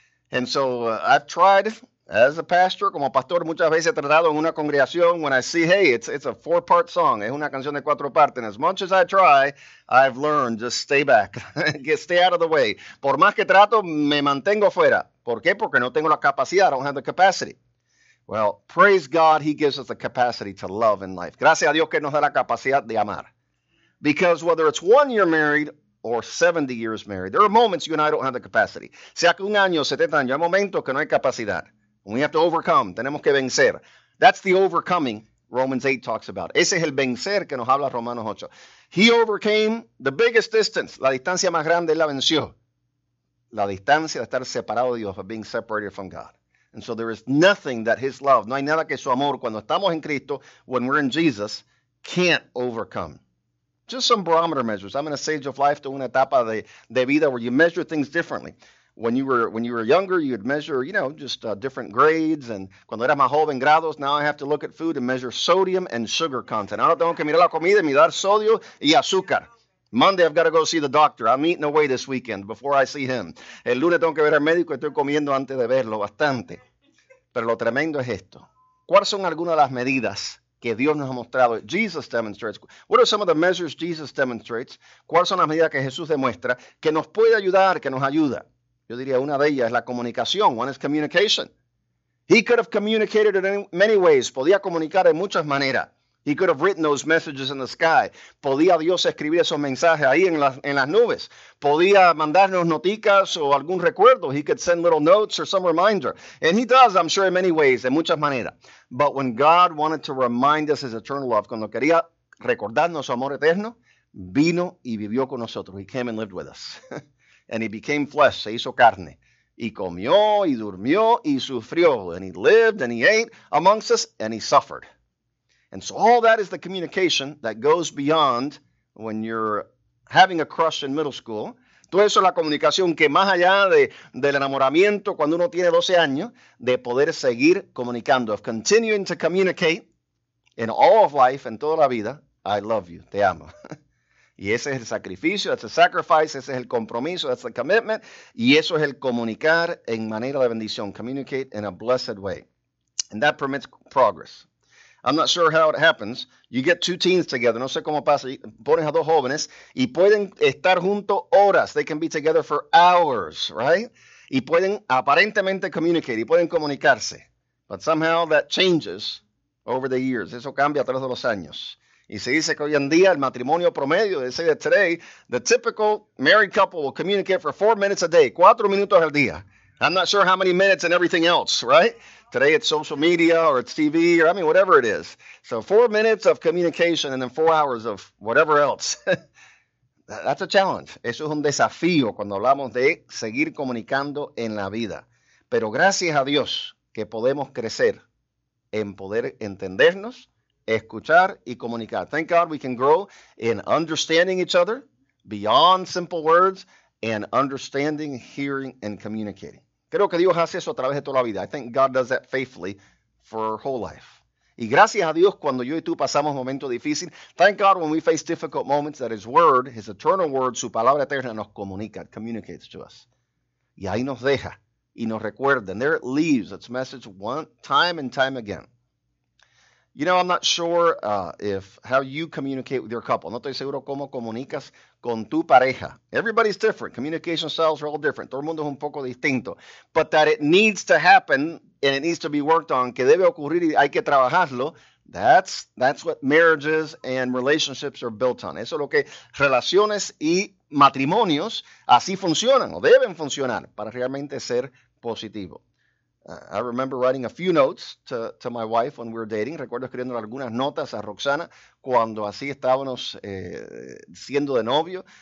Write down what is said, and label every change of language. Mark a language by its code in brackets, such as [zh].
[en] And so I've tried. As a pastor, [es] como pastor, muchas veces he tratado en una congregación, [en] when I see, hey, it's a four-part song, [es] es una canción de cuatro partes, [en] and as much as I try, I've learned, just stay back, stay out of the way. [es] Por más que trato, me mantengo fuera. ¿Por qué? Porque no tengo la capacidad, [en] I don't have the capacity. Well, praise God, he gives us the capacity to love in life. [es] Gracias a Dios que nos da la capacidad de amar. [en] Because whether it's 1 year married or 70 years married, there are moments you and I don't have the capacity. [es] Sea que un año, 70 años, hay momentos que no hay capacidad. [en] We have to overcome. [es] Tenemos que vencer. [en] That's the overcoming Romans 8 talks about. [es] Ese es el vencer que nos habla Romanos 8. [en] He overcame the biggest distance. [es] La distancia más grande, él la venció. La distancia de estar separado de Dios, [en] of being separated from God. And so there is nothing that his love, [es] no hay nada que su amor, cuando estamos en Cristo, [en] when we're in Jesus, can't overcome. Just some barometer measures. I'm in a stage of life, to [es] una etapa de vida [en] where you measure things differently. When you were younger, you'd measure, you know, just different grades. And [es] cuando era más joven, grados, [en] now I have to look at food and measure sodium and sugar content. [es] Ahora tengo que mirar la comida y mirar sodio y azúcar. [en] Monday, I've got to go see the doctor. I'm eating away this weekend before I see him. [es] El lunes tengo que ver al médico y estoy comiendo antes de verlo bastante. Pero lo tremendo es esto. ¿Cuáles son algunas de las medidas que Dios nos ha mostrado? [en] Jesus demonstrates. What are some of the measures Jesus demonstrates? [es] ¿Cuáles son las medidas que Jesús demuestra que nos puede ayudar, que nos ayuda? Yo diría una de ellas es la comunicación. [en] One is communication. He could have communicated in many ways. [es] Podía comunicar de muchas maneras. [en] He could have written those messages in the sky. [es] Podía Dios escribir esos mensajes ahí en las nubes. Podía mandarnos noticas o algún recuerdo. [en] He could send little notes or some reminder. And he does, I'm sure, in many ways, [es] de muchas maneras. [en] But when God wanted to remind us his eternal love, [es] cuando quería recordarnos su amor eterno, vino y vivió con nosotros. [en] He came and lived with us. And he became flesh, [es] se hizo carne. Y comió, y durmió, y sufrió. [en] And he lived, and he ate amongst us, and he suffered. And so all that is the communication that goes beyond when you're having a crush in middle school. [es] Todo eso es la comunicación que más allá de, del enamoramiento cuando uno tiene 12 años, de poder seguir comunicando, [en] of continuing to communicate in all of life, [es] en toda la vida, [en] I love you, [es] te amo. Y ese es el sacrificio, [en] that's a sacrifice, [es] ese es el compromiso, [en] that's the commitment, [es] y eso es el comunicar en manera de bendición, [en] communicate in a blessed way. And that permits progress. I'm not sure how it happens. You get two teens together. [es] No sé cómo pasa. Pones a dos jóvenes y pueden estar juntos horas. [en] They can be together for hours, right? [es] Y pueden aparentemente [en] communicate. [es] Y pueden comunicarse. [en] But somehow that changes over the years. [es] Eso cambia a través de los años. Y se dice que hoy en día el matrimonio promedio, [en] they say that today, the typical married couple will communicate for 4 minutes a day. [es] 4 minutos al día. [en] I'm not sure how many minutes and everything else, right? Today it's social media or it's TV or, I mean, whatever it is. So 4 minutes of communication and then 4 hours of whatever else. That's a challenge. [es] Eso es un desafío cuando hablamos de seguir comunicando en la vida. Pero gracias a Dios que podemos crecer en poder entendernos, escuchar y comunicar. [en] Thank God we can grow in understanding each other beyond simple words and understanding, hearing, and communicating. [es] Creo que Dios hace eso a través de toda la vida. [en] I think God does that faithfully for our whole life. [es] Y gracias a Dios cuando yo y tú pasamos momentos difíciles. [en] Thank God when we face difficult moments that His Word, His eternal Word, [es] su palabra eterna nos comunica, [en] communicates to us. [es] Y ahí nos deja y nos recuerda. [en] And there it leaves its message one time and time again. You know, I'm not sure if how you communicate with your couple. [es] No estoy seguro cómo comunicas con tu pareja. [en] Everybody's different. Communication styles are all different. [es] Todo el mundo es un poco distinto. [en] But that it needs to happen and it needs to be worked on, [es] que debe ocurrir y hay que trabajarlo, [en] that's what marriages and relationships are built on. [es] Eso es lo que relaciones y matrimonios así funcionan o deben funcionar para realmente ser positivo. [en] I remember writing a few notes to my wife when we were dating. [es] Recuerdo escribiendo algunas notas a Roxana cuando así estábamos siendo de novio.